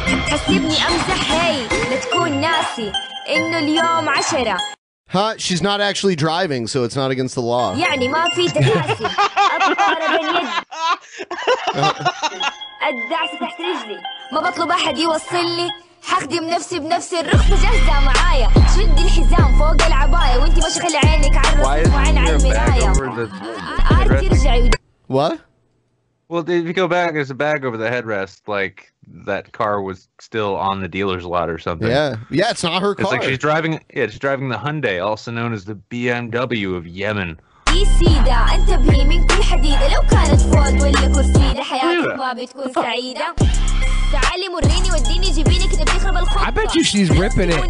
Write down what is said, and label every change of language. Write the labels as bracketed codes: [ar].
[ar] حسبني امزح هاي لتكون ناسي انه اليوم 10 Huh? [en] She's not actually driving, so it's not against the law. [ar] يعني ما في تداسي الدعس تحت رجلي ما بطلب احد يوصلني حخدم نفسي بنفسي الرخصه جاهزه معايا شد الحزام فوق العبايه وانت مشغل عينك على الرصيف وعين على المرايه ارك ارجعي What? [en] Well, if you go back, there's a bag over the headrest, like that car was still on the dealer's lot or something. Yeah. Yeah, it's not her car. It's like she's driving the Hyundai, also known as the BMW of Yemen. I bet you she's ripping it.